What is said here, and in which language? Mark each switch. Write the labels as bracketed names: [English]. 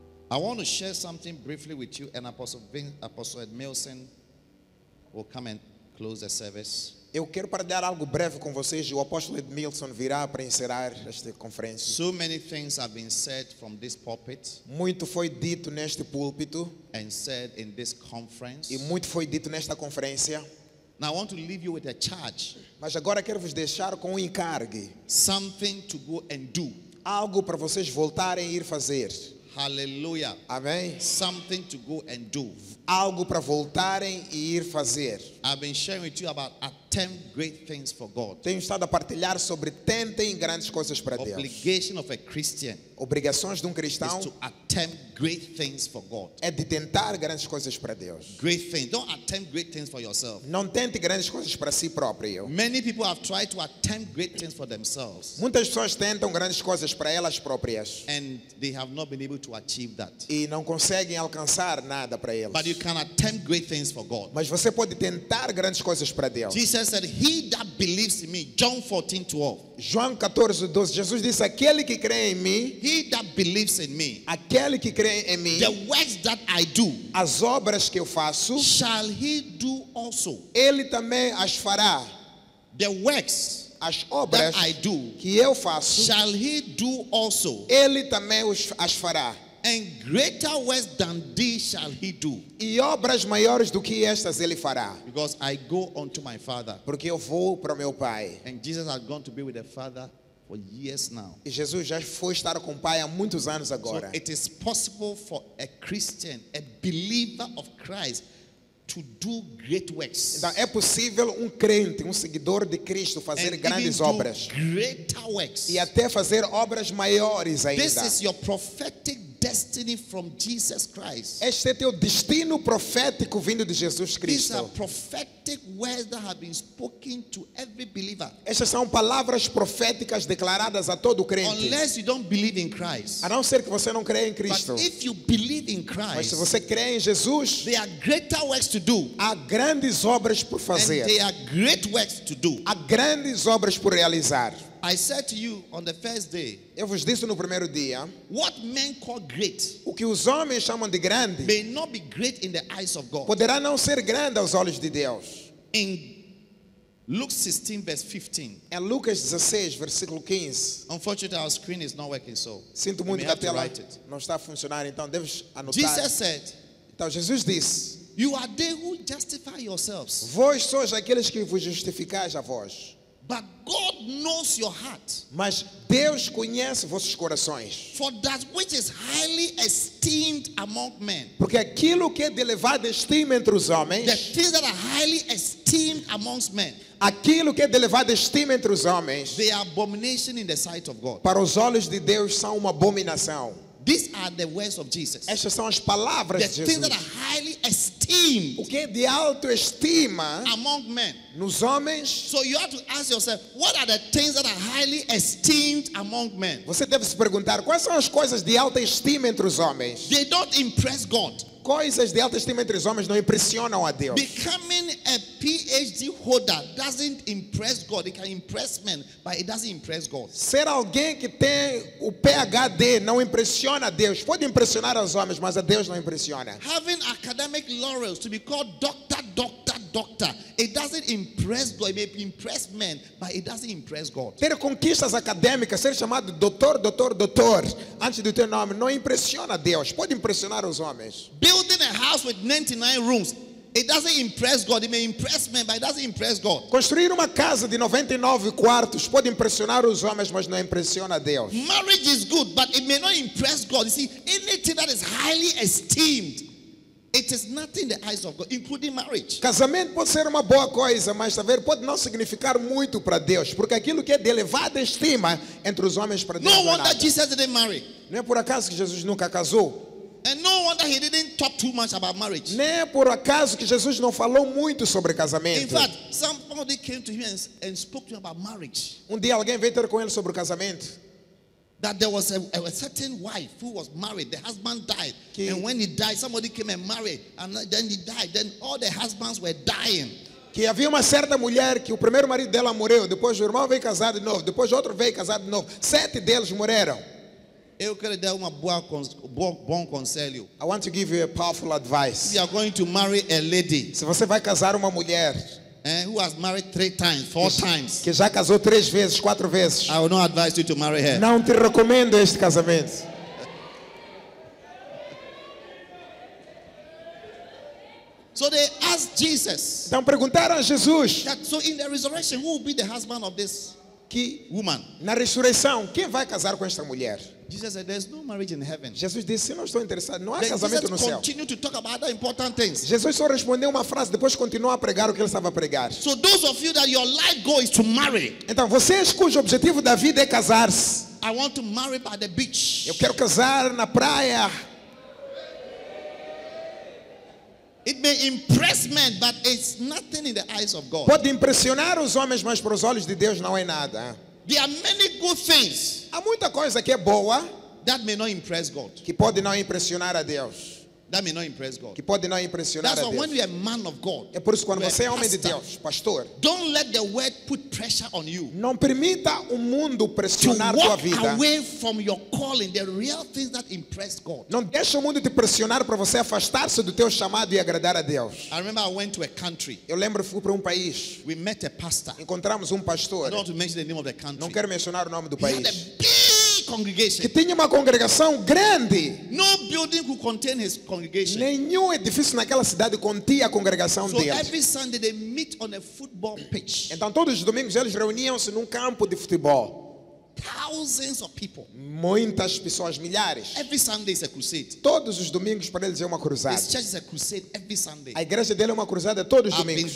[English] I want to share something briefly with you, and Apostle Edmilson will come and close the service. [Portuguese] Eu quero partilhar algo breve com vocês. O apóstolo Edmilson virá para encerrar esta conferência. [English] So many things have been said from this pulpit. [Portuguese] Muito foi dito neste púlpito. [English] And said in this conference. [Portuguese] E muito foi dito nesta conferência. [English] Now I want to leave you with a charge. [Portuguese] Mas agora quero vos deixar com um encargo. [English] Something to go and do. [Portuguese] Algo para vocês voltarem a ir fazer. [English] Hallelujah. [Portuguese] Amém. [English] Something to go and do. [Portuguese] Algo para voltarem e ir fazer. [English] I've been sharing with you about attempt great things for God. [Portuguese] Tenho estado a partilhar sobre tentem grandes coisas para Deus. [English] Obligation of a Christian. [Portuguese] Obrigações de cristão. [English] Is to attempt great things for God. [Portuguese] É de tentar grandes coisas para Deus. [English] Great things. Don't attempt great things for yourself. [Portuguese] Não tente grandes coisas para si próprio. [English] Many people have tried to attempt great things for themselves. [Portuguese] Muitas pessoas tentam grandes coisas para elas próprias. [English] And they have not been able to achieve that. [Portuguese] E não conseguem alcançar nada para elas. [English] But you can attempt great things for God. [Portuguese] Mas você pode tentar grandes coisas para Deus. [English] Jesus said, "He that believes in me," John 14:12. [Portuguese] João 14, 12, Jesus disse, aquele que crê em mim, [English] he that believes in me, [Portuguese] aquele que crê em mim, [English] the works that I do, [Portuguese] as obras que eu faço, [English] shall he do also. [Portuguese] Ele também as fará. [English] The works, [Portuguese] as obras [English] that I do, [Portuguese] que eu faço, [English] shall he do also. [Portuguese] Ele também as fará. [English] And greater works than these shall he do. [Portuguese] E obras maiores do que estas ele fará. [English] Because I go unto my Father. [Portuguese] Porque eu vou para meu Pai. [English] And Jesus has gone to be with the Father for years now. [Portuguese] E Jesus já foi estar com o Pai há muitos anos agora. [English] So it is possible for a Christian, a believer of Christ, to do great works. [Portuguese] Então é possível crente, seguidor de Cristo fazer [English] and [Portuguese] grandes obras. [English] Greater works. [Portuguese] E até fazer obras maiores ainda. [English] This is your prophetic destiny from Jesus Christ. [Portuguese] Este é teu destino profético vindo de Jesus Cristo. [English] These are prophetic words that have been spoken to every believer. [Portuguese] Estas são palavras proféticas declaradas a todo crente. [English] Unless you don't believe in Christ. [Portuguese] A não ser que você não creia em Cristo. [English] But if you believe in Christ. [Portuguese] Mas se você crê em Jesus, [English] there are greater works to do. [Portuguese] Há grandes obras por fazer. [English] And there are great works to do. [Portuguese] Há grandes obras por realizar. [English] I said to you on the first day. [Portuguese] Eu vos disse no primeiro dia. [English] What men call great, [Portuguese] o que os homens chamam de grande, [English] may not be great in the eyes of God. [Portuguese] Poderá não ser grande aos olhos de Deus. [English] In Luke 16, verse 15. [Portuguese] Em Lucas 16, versículo 15. [English] Unfortunately, our screen is not working, so. [Portuguese] Sinto muito que a tela não está a funcionar, então deves anotar. [English] Jesus said. [Portuguese] Então Jesus disse. [English] You are they who justify yourselves. [Portuguese] Vós sois aqueles que vos justificais a vós. [English] But God knows your heart. [Portuguese] Mas Deus conhece vossos corações. [English] For that which is highly esteemed among men. [Portuguese] Porque aquilo que é de elevada estima entre os homens. [English] The things that are highly esteemed amongst men. [Portuguese] Aquilo que é de elevada estima entre os homens. [English] They are abomination in the sight of God. [Portuguese] Para os olhos de Deus são uma abominação. [English] These are the words of Jesus. [Portuguese] Estas são as palavras de Jesus. [English] The things that are highly esteemed. [Portuguese] O que é de alto estima [English] among men. [Portuguese] Nos homens. [English] So you have to ask yourself, what are the things that are highly esteemed among men? [Portuguese] Você deve se perguntar quais são as coisas de alta estima entre os homens. [English] They don't impress God. [Portuguese] Coisas de alta estima entre os homens não impressionam a Deus. [English] Becoming a PhD holder doesn't impress God. It can impress men, but it doesn't impress God. [Portuguese] Ser alguém que tem o PhD não impressiona a Deus. Pode impressionar os homens, mas a Deus não impressiona. [English] Having academic laurels to be called doctor, doctor, doctor, it doesn't impress God. It may impress men, but it doesn't impress God. [Portuguese] Ter conquistas acadêmicas, ser chamado doutor, doutor, doutor, antes do teu nome, não impressiona Deus. Pode impressionar os homens. [English] Building a house with 99 rooms, it doesn't impress God. It may impress men, but it doesn't impress God. [Portuguese] Construir uma casa de 99 quartos pode impressionar os homens, mas não impressiona Deus. [English] Marriage is good, but it may not impress God. You see, anything that is highly esteemed, it is nothing in the eyes of God, including marriage. [Portuguese] Casamento pode ser uma boa coisa, mas saber pode não significar muito para Deus, porque aquilo que é de elevada estima entre os homens para Deus. [English] No wonder Jesus didn't marry. [Portuguese] Não é por acaso que Jesus nunca casou. [English] And no wonder he didn't talk too much about marriage. [Portuguese] Nem por acaso que Jesus não falou muito sobre casamento. [English] In fact, somebody came to him and spoke to him about marriage. [Portuguese] Dia alguém veio ter com ele sobre o casamento. [English] That there was a certain wife who was married. The husband died. [Portuguese] Que, [English] and when he died, somebody came and married. And then he died. Then all the husbands were dying. [Portuguese] Que havia uma certa mulher que o primeiro marido dela morreu, depois o irmão veio casar de novo, depois outro veio casar de novo. Sete deles morreram. Eu quero dar uma boa bom conselho. [English] I want to give you a powerful advice. If you are going to marry a lady. [Portuguese] Se você vai casar uma mulher, [English] who has married three times, four times. [Portuguese] Que já casou três vezes, quatro vezes. [English] I will not advise you to marry her. [Portuguese] Não te recomendo este casamento. [English] So they asked Jesus. [Portuguese] Então perguntaram a Jesus. [English] That, so in the resurrection, who will be the husband of this woman? [Portuguese] Na ressurreição, quem vai casar com esta mulher? [English] Jesus said, "There's no marriage in heaven." [Portuguese] Jesus disse, eu não estou interessado, não há casamento no céu. [English] Continue to talk about other important things. [Portuguese] Jesus só respondeu uma frase, depois continuou a pregar o que ele estava a pregar. [English] So those of you that your life goal is to marry. [Portuguese] Então vocês cujo objetivo da vida é casar-se. [English] I want to marry by the beach. [Portuguese] Eu quero casar na praia. [English] It may impress men, but it's nothing in the eyes of God. [Portuguese] Pode impressionar os homens, mas para os olhos de Deus não é nada. [English] There are many good things. [Portuguese] Há muita coisa que é boa. [English] That may not impress God. [Portuguese] Que pode não impressionar a Deus. [English] That may not impress God. [Portuguese] Que pode não impressionar [English] That's [Portuguese] a Deus. [English] When you are man of God, [Portuguese] é por isso quando você é homem de Deus, pastor. [English] Don't let the world put pressure on you. [Portuguese] Não permita o mundo pressionar [English] to [Portuguese] tua vida. [English] Away from your calling, the real things that impress God. [Portuguese] Não deixe o mundo te pressionar para você afastar-se do teu chamado e agradar a Deus. [English] I remember I went to a country. [Portuguese] Eu lembro fui para país. [English] We met a pastor. [Portuguese] Encontramos pastor. [English] I don't want to mention the name of the country. [Portuguese] Não quero mencionar o nome do país. [English] He had a big congregation. [Portuguese] Que tinha uma congregação grande. [English] No building could contain his congregation. [Portuguese] Nenhum edifício naquela cidade continha a congregação [English] so [Portuguese] dele. [English] Every Sunday they meet on a football pitch. [Portuguese] Então todos os domingos eles reuniam-se num campo de futebol. [English] Thousands of people. [Portuguese] Muitas pessoas, milhares. [English] Every Sunday is a crusade. [Portuguese] Todos os domingos para eles é uma cruzada. [English] This church is a crusade every Sunday. [Portuguese] A igreja dele é uma cruzada todos os domingos.